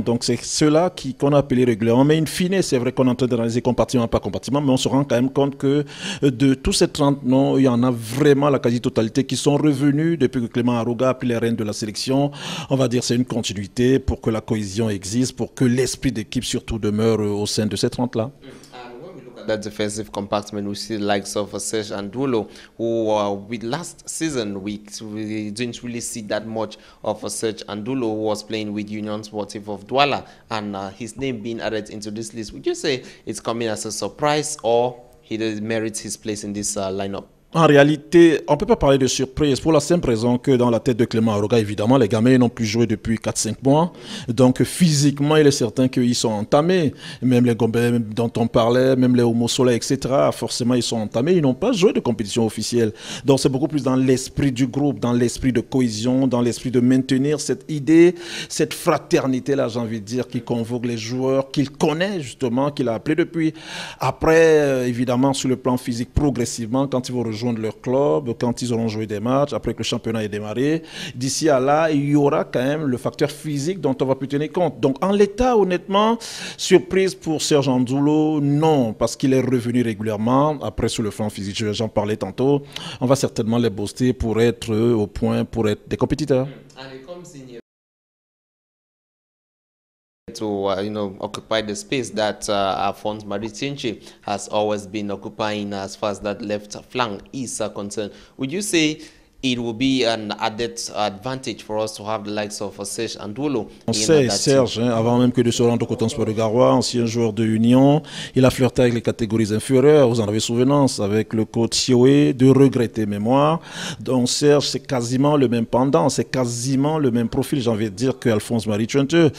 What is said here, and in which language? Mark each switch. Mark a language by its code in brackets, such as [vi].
[fr] Donc, c'est cela qu'on a appelé régulièrement. Mais in fine, c'est vrai qu'on est en train d'analyser compartiment par compartiment, mais on se rend quand même compte que de tous ces 30 noms, il y en a vraiment la quasi-totalité qui sont revenus depuis que Clément Aruga a pris les rênes de la sélection. On va dire que c'est une continuité pour que la cohésion existe, pour que l'esprit d'équipe surtout demeure au sein de ces 30-là. [en] That defensive compartment, we see the likes of Serge Andulo, who with last season we didn't really see that much of Serge Andulo, who was playing with Union Sportive of Douala, and his name being added into this list. Would you say it's coming as a surprise, or he merits his place in this lineup? [fr] En réalité, on ne peut pas parler de surprise pour la simple raison que dans la tête de Clément Aruga, évidemment, les gamins n'ont plus joué depuis 4-5 mois. Donc physiquement, il est certain qu'ils sont entamés. Même les Gombe dont on parlait, même les Omosola, etc. Forcément, ils sont entamés. Ils n'ont pas joué de compétition officielle. Donc c'est beaucoup plus dans l'esprit du groupe, dans l'esprit de cohésion, dans l'esprit de maintenir cette idée, cette fraternité-là, j'ai envie de dire, qui convoque les joueurs qu'il connaît justement, qu'il a appelé depuis. Après, évidemment, sur le plan physique, progressivement, quand ils vont rejoindre leur club, quand ils auront joué des matchs, après que le championnat ait démarré. D'ici à là, il y aura quand même le facteur physique dont on va plus tenir compte. Donc en l'état, honnêtement, surprise pour Serge Andulo, non, parce qu'il est revenu régulièrement. Après, sur le plan physique, j'en parlais tantôt, on va certainement les booster pour être au point, pour être des compétiteurs. [en] To you know, occupy the space that Alphonse Marie Tinchi has always been occupying as far as that left flank is concerned. Would you say it will be an added advantage for us to have the likes of Serge Andulo? [fr] On sait, Serge, hein, avant même que de se rendre au Coton Sport de Garoua, ancien joueur de Union, il a flirté avec les catégories inférieures, vous en avez souvenance, avec le coach Sioé, de regretter mémoire. Donc Serge, c'est quasiment le même pendant, c'est quasiment le même profil, j'ai envie de dire, qu'Alphonse Marie Tchouinte.